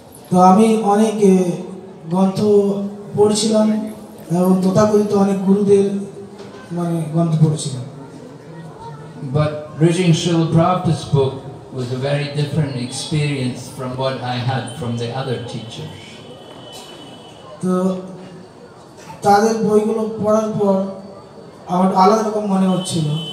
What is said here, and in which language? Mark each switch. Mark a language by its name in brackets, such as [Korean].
[Bangla] To ami onek গ্রন্থ পড়ছিলাম এবং তথাকথিত অনেক গুরুদের মানে গ্রন্থ পড়েছিলাম [English] but reading Srila Prabhupada's book was a very different experience from what I had from the other teachers [Bangla] তো তাদের বইগুলো পড়ার পর আমার আলাদা রকম মনে হচ্ছিল